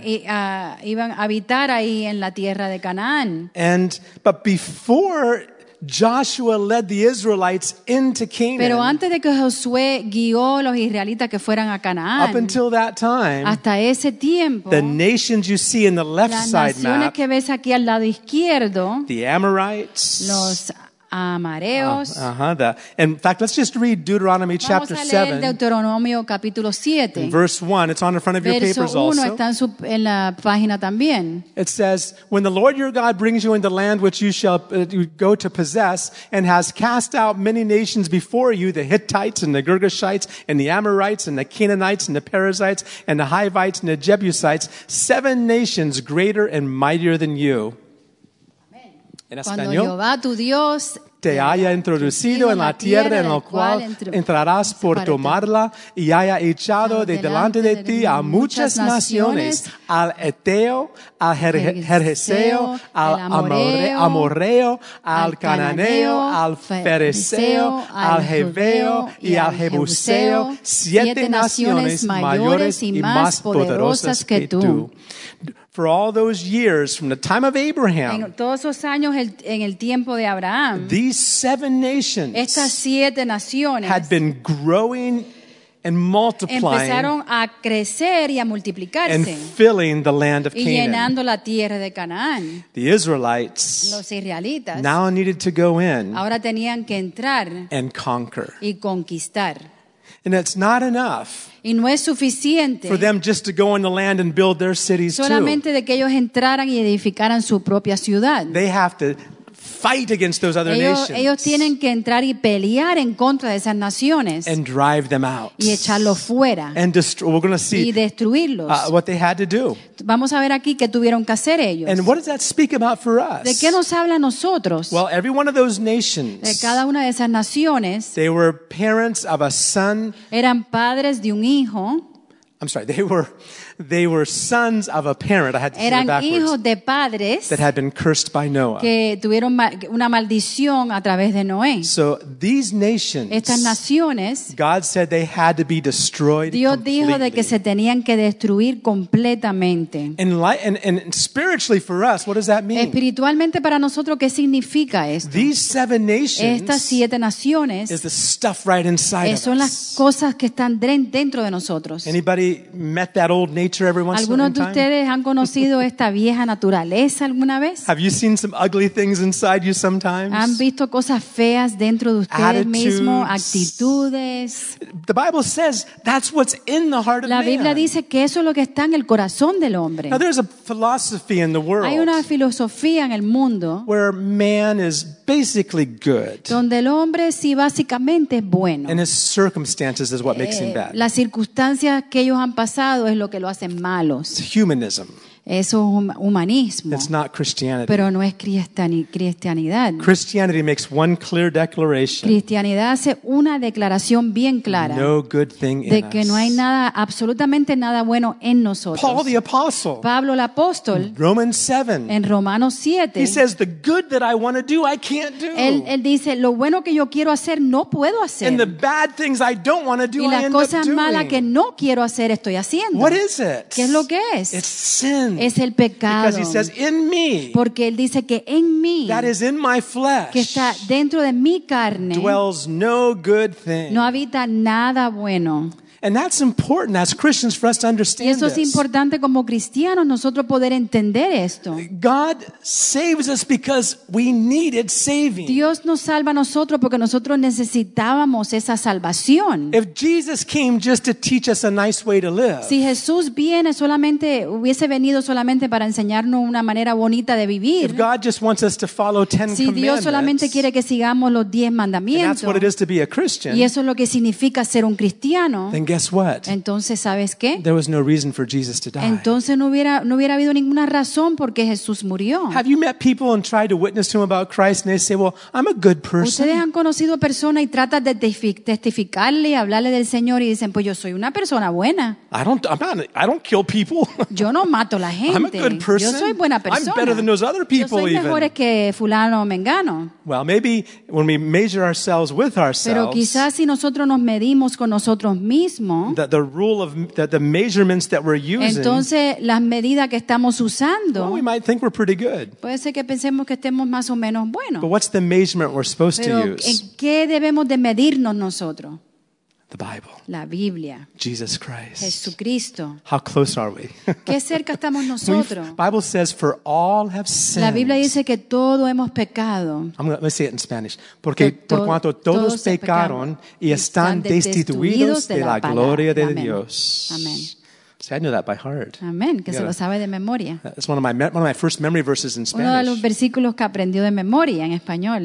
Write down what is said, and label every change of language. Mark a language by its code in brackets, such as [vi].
[es] Iban, iban a habitar ahí en la tierra de Canaán. [en] And, but before Joshua led the Israelites into Canaan. [es] Pero antes de que Josué guió los israelitas que fueran a Canaán. [en] Up until that time. [es] Hasta ese tiempo. [en] The nations you see in the left side map. [es] Las naciones que ves aquí al lado izquierdo. [en] The Amorites. [es] Los Amareos. [en] In fact, let's just read Deuteronomy [es] Vamos [en] chapter [es] a leer Deuteronomio capítulo 7. [en] Verse 1. It's on the front of [es] verso [en] your papers [es] uno, [en] also. [es] Está en su, en la página también. [en] It says, when the Lord your God brings you into land which you shall go to possess and has cast out many nations before you, the Hittites and the Girgashites and the Amorites and the Canaanites and the Perizzites and the Hivites and the Jebusites, seven nations greater and mightier than you. [es] Cuando Jehová tu Dios te haya introducido en la tierra en la cual entrarás por tomarla y haya echado de delante de ti a muchas naciones, al Eteo, al Jerjeseo, al Amorreo, al Cananeo, al Fereseo, al Heveo y al Jebuseo, siete naciones mayores y más poderosas que tú. [en] For all those years from the time of Abraham, [es] en todos esos años en el tiempo de Abraham, [en] these seven nations [es] estas siete naciones [en] had been growing and multiplying. [es] Empezaron a crecer y a multiplicarse. [en] And filling the land of Canaan. [es] Y llenando la tierra de Canaán. [en] The Israelites. [es] Los israelitas. [en] Now needed to go in. [es] Ahora tenían que entrar. [en] And conquer. [es] Y conquistar. [en] And it's not enough. [es] Y no es suficiente. [en] For them just to go in the land and build their cities [es] solamente [en] too. [es] Solamente de que ellos entraran y edificaran su propia ciudad. [en] They have to fight against those other [es] ellos, [en] nations. [es] Ellos tienen que entrar y pelear en contra de esas naciones. [en] And drive them out. [es] Y echarlos fuera. [en] And we're going to see. [es] Y destruirlos. [en] What they had to do. [es] Vamos a ver aquí qué tuvieron que hacer ellos. [en] And what does that speak about for us? [es] ¿De qué nos habla a nosotros? [en] Well, every one of those nations. [es] De cada una de esas naciones. [en] They were parents of a son. [es] Eran padres de un hijo. [en] I'm sorry, they were sons of a parent. I had to [es] eran [en] say that backwards. [es] Eran hijos de padres [en] that had been cursed by Noah. [es] Que tuvieron una maldición a través de Noé. [en] So these nations, [es] estas naciones, [en] God said they had to be destroyed. [es] Dios [en] completely. [es] Dijo de que se tenían que destruir completamente. [en] And spiritually for us, what does that mean? [es] Espiritualmente para nosotros, ¿qué significa esto? [en] These seven nations, [es] estas siete naciones, [en] is the stuff right inside of us. [es] Son las cosas que están dentro de nosotros. [en] Anybody met that old nature every once in a while? [es] ¿Algunos de ustedes han conocido esta vieja naturaleza alguna vez? [en] Have you seen some ugly things inside you sometimes? [es] ¿Han visto cosas feas dentro de ustedes [en] attitudes. [es] Mismo? Actitudes. [en] The Bible says that's what's in the heart of man. [es] La Biblia [en] man. [es] Dice que eso es lo que está en el corazón del hombre. [en] Now there's a philosophy in the world. [es] Hay una filosofía en el mundo. [en] Where man is basically good. [es] Donde el hombre sí básicamente es bueno. [en] And his circumstances is what makes him bad. [es] Las circunstancias que ellos han pasado es lo que lo hacen malos. [en] Humanism. [es] Eso es humanismo. [en] It's not Christianity. [es] Pero no es cristianidad. [en] Christianity makes one clear declaration. [es] Cristianidad hace una declaración bien clara. [en] No good thing in us. [es] De que [en] us. [es] No hay nada, absolutamente nada bueno en nosotros. [en] Paul the apostle. [es] Pablo el apóstol. [en] Romans 7. [es] En Romanos 7. [en] He says the good that I want to do I can't do. [es] Él dice lo bueno que yo quiero hacer no puedo hacer. [en] And the bad things I don't want to do I end up doing. [es] Y las cosas malas que no quiero hacer estoy haciendo. [en] What is it? [es] ¿Qué es lo que es? [en] It's sin. [es] Es el pecado. [en] Because he says, in me, [es] porque él dice que en mí [en] that is in my flesh, [es] que está dentro de mi carne [en] dwells no good thing. [es] No habita nada bueno. [en] And that's important as Christians for us to understand. [es] Y eso es importante como cristianos nosotros poder entender esto. [en] God saves us because we needed saving. [es] Dios nos salva a nosotros porque nosotros necesitábamos esa salvación. [en] If Jesus came just to teach us a nice way to live. [es] Si Jesús viene solamente hubiese venido solamente para enseñarnos una manera bonita de vivir. [en] If God just wants us to follow 10 commandments. [es] Si Dios solamente quiere que sigamos los 10 mandamientos. [en] That's what it is to be a Christian. [es] Y eso es lo que significa ser un cristiano. [en] And guess what? [es] Entonces, ¿sabes qué? [en] There was no reason for Jesus to die. [es] Entonces no hubiera habido ninguna razón porque Jesús murió. [en] Have you met people and tried to witness to him about Christ and they say, "Well, I'm a good person." [es] ¿Ustedes han conocido personas y tratas de testificarle y hablarle del Señor y dicen, "Pues yo soy una persona buena"? [en] I don't kill people. [es] Yo no mato la gente. [en] I'm a good person. [es] Yo soy buena persona. [en] I'm better than those other people even. [es] Yo soy mejor [en] even. [es] Que fulano o mengano. [en] Well, maybe when we measure ourselves with ourselves. [es] Pero quizás si nosotros nos medimos con nosotros mismos. [en] The rule of the measurements that we're using. [es] Entonces las medidas que estamos usando. [en] Well, we might think we're pretty good. [es] Puede ser que pensemos que estemos más o menos buenos. [en] But what's the measurement we're supposed [es] pero [en] to use? [es] ¿En qué debemos de medirnos nosotros? [en] The Bible. [es] La Biblia. [en] Jesus Christ. [es] Jesucristo. [en] How close are we? [es] ¿Qué cerca estamos nosotros? [en] The Bible says, "For all have sinned." [es] La Biblia dice que todo hemos pecado. [en] Let's say it in Spanish. [es] Porque por cuanto todos pecaron y están destituidos de la gloria de Dios. Amén. [en] See, I know that by heart. [es] Amen. Que se lo sabe de memoria. [en] That's one of my first memory verses in Spanish. [es] Uno de los versículos que aprendió de memoria en español.